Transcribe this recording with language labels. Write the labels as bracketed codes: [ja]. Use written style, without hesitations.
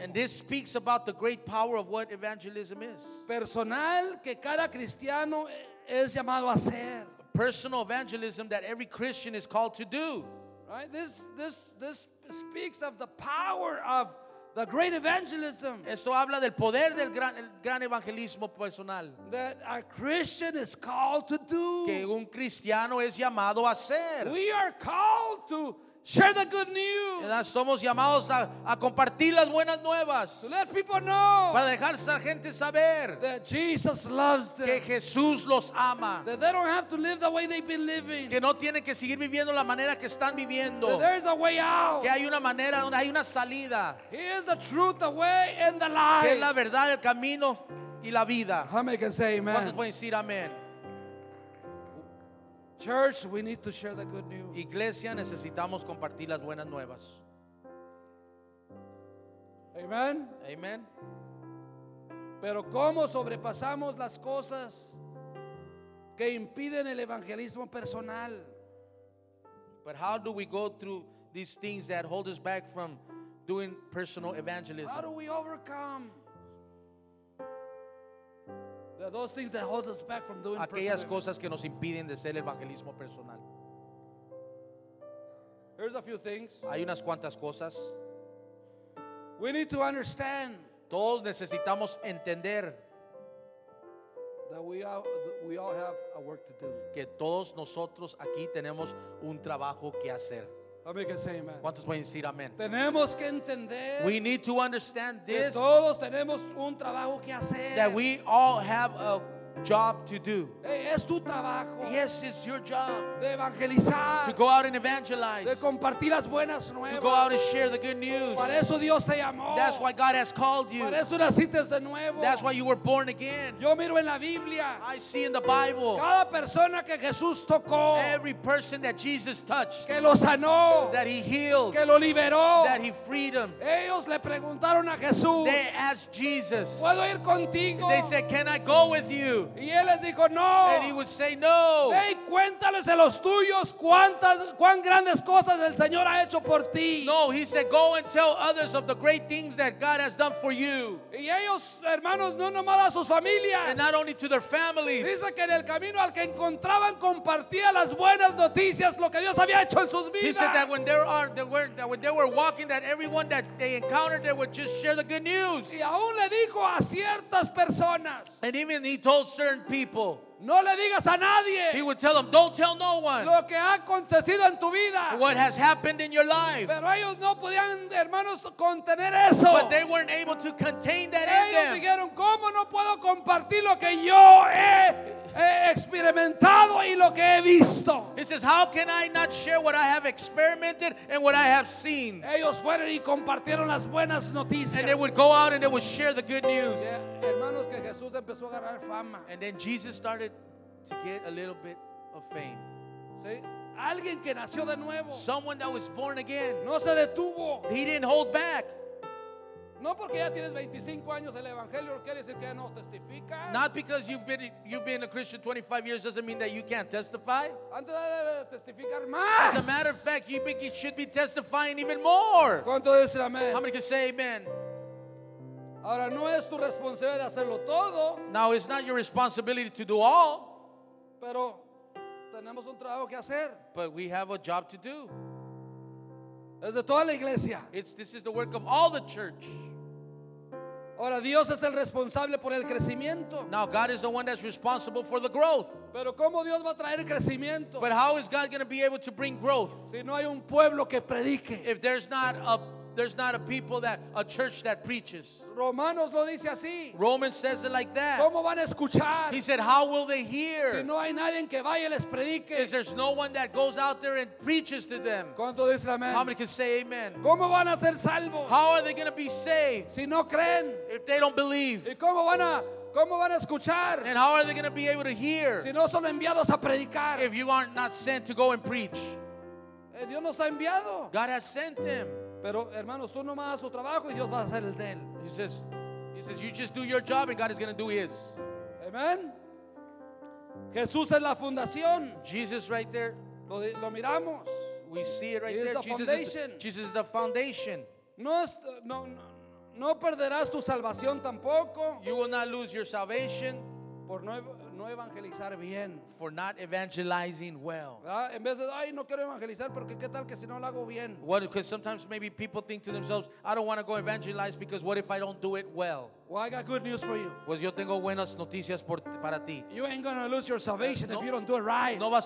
[en] And this speaks about the great power of what evangelism is. [es] Personal que cada cristiano es llamado a hacer. [en] Personal evangelism that every Christian is called to do. Right? This speaks of the power of the great evangelism. [es] Esto habla del poder del gran evangelismo personal. [en] That a Christian is called to do. [es] Que un cristiano es llamado a hacer. [en] We are called to share the good news. [es] Somos llamados a compartir las buenas nuevas. [en] To let people know. [es] Para dejar a la gente saber. [en] That Jesus loves them. [es] Que Jesús los ama. [en] That they don't have to live the way they've been living. [es] Que no tienen que seguir viviendo la manera que están viviendo. [en] That there's a way out. [es] Que hay una manera, hay una salida. [en] He is the truth, the way, and the life. [es] Que es la verdad, el camino y la vida. [en] How many can say amen? [es] ¿Cuántos pueden decir amén? [en] Church, we need to share the good news. [es] Iglesia, necesitamos compartir las buenas nuevas. [en] Amen. Amen. [es] Pero ¿cómo sobrepasamos las cosas que impiden el evangelismo personal? [en] But how do we go through these things that hold us back from doing personal evangelism? How do we overcome those things that hold us back from doing personal? [es] Aquellas cosas que nos impiden de ser evangelismo personal. [en] Here's a few things. [es] Hay unas cuantas cosas. [en] We need to understand. [es] Todos necesitamos entender. [en] That we all have a work to do. [es] Que todos nosotros aquí tenemos un trabajo que hacer. ¿Cuántos pueden decir amén? Tenemos que entender. [en] We need to understand this. [es] Todos tenemos un trabajo que hacer. [en] That we all have a job to do. [es] Es tu trabajo. [en] Yes, it's your job. [es] De evangelizar. [en] To go out and evangelize. [es] De compartir las buenas nuevas. [en] To go out and share the good news. [es] Para eso Dios te llamó. [en] That's why God has called you. [es] Para eso naciste de nuevo. [en] That's why you were born again. [es] Yo miro en la Biblia. [en] I see in the Bible. [es] Cada persona que Jesús tocó. [en] Every person that Jesus touched. [es] Que lo sanó. [en] That he healed. [es] Que lo liberó. [en] That he freed him. [es] Ellos le preguntaron a Jesús. [en] They asked Jesus. [es] ¿Puedo ir contigo? [en] They said, can I go with you? [es] Y él les dijo, no. [en] And he would say no. [es] Hey, cuéntales a los tuyos cuán grandes cosas el Señor ha hecho por ti. [en] No, he said, go and tell others of the great things that God has done for you. [es] Y ellos, hermanos, no nomás a sus familias. [en] And not only to their families. [es] Dice que en el camino al que encontraban compartía las buenas noticias, lo que Dios había hecho en sus vidas. [en] He said that when they were walking, that everyone that they encountered, they would just share the good news. [es] Y aún le dijo a ciertas personas. [en] And even he told certain people. [es] No le digas a nadie. [en] He would tell them, don't tell no one. [es] Lo que ha acontecido en tu vida. [en] What has happened in your life. [es] Pero ellos no podían, hermanos, contener eso. [en] But they weren't able to contain that [es] ellos [en] in them. [es] Ellos dijeron, ¿cómo no puedo compartir lo que yo he experimentado y lo que he visto? [en] He says, how can I not share what I have experimented and what I have seen? [es] Ellos fueron y compartieron las buenas noticias. [en] And they would go out and they would share the good news. [es] Yeah, hermanos, que Jesús empezó a agarrar fama. [en] And then Jesus started to get a little bit of fame. See, [es] Alguien que nació de nuevo. [en] Someone that was born again. [es] No se detuvo. [en] He didn't hold back. [es] No porque ya tienes 25 años el evangelio quiere decir que ya no testificas. [en] Not because you've been a Christian 25 years doesn't mean that you can't testify. [es] Antes debe testificar más. [en] As a matter of fact, you should be testifying even more. [es] ¿Cuánto dicen amén? [en] How many can say amen? [es] Ahora no es tu responsabilidad hacerlo todo. [en] Now it's not your responsibility to do all. [es] Pero tenemos un trabajo que hacer. [en] But we have a job to do. [es] Es de toda la iglesia. [en] This is the work of all the church. [es] Ahora Dios es el responsable por el crecimiento. [en] Now God is the one that's responsible for the growth. [es] Pero cómo Dios va a traer crecimiento? [en] But how is God going to be able to bring growth? [es] Si no hay un pueblo que predique. [en] If there's not a people that a church that preaches. [es] Romanos lo dice así. [en] Romans says it like that. [es] ¿Cómo van a escuchar? [en] He said, how will they hear? [es] Si no hay nadie que vaya y les predique. [en] Is there no one that goes out there and preaches to them? [es] ¿Cuánto dice amén? [en] How many can say amen? [es] ¿Cómo van a ser salvos? [en] How are they going to be saved? [es] Si no creen. [en] If they don't believe. [es] ¿Y cómo van a escuchar? [en] And how are they going to be able to hear? [es] Si no son enviados a predicar. [en] If you are not sent to go and preach. [es] Dios nos ha enviado. [en] God has sent them. [es] Pero hermanos, tú nomás haz tu trabajo y Dios va a hacer el de él. [en] He says, you just do your job and God is going to do his. [es] Amen. Jesús es la fundación. [en] Jesus right there. [es] Lo miramos. [en] We see it right he there. Is the foundation. Jesus is the foundation. [es] No perderás tu salvación tampoco. [en] You will not lose your salvation. [es] Por no evangelizar bien. [en] For not evangelizing well. [es] En vez de ay no quiero evangelizar porque qué tal que si no lo hago bien. [en] What? Because sometimes maybe people think to themselves, I don't want to go evangelize because what if I don't do it well? Well, I got good news for you. [es] Pues yo tengo buenas noticias para ti. [en] You ain't gonna lose your salvation if you don't do it right.